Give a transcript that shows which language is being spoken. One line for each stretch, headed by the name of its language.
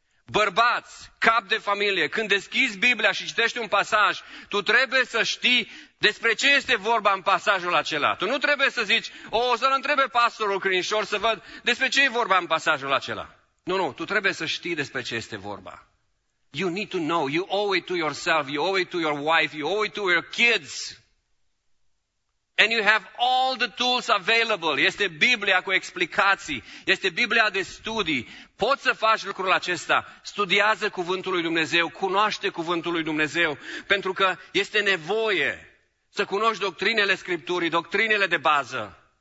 Romanian: Bărbați, cap de familie, când deschizi Biblia și citești un pasaj, tu trebuie să știi despre ce este vorba în pasajul acela. Tu nu trebuie să zici, o să-l întrebe pastorul Crinșor să văd despre ce e vorba în pasajul acela. Nu, nu, tu trebuie să știi despre ce este vorba.
English: You need to know, you owe it to yourself, you owe it to your wife, you owe it to your kids. And you have all the tools available.
Romanian: Este Biblia cu explicații, este Biblia de studii. Poți să faci lucrul acesta. Studiază cuvântul lui Dumnezeu, cunoaște cuvântul lui Dumnezeu, pentru că este nevoie să cunoști doctrinele Scripturii, doctrinele de bază.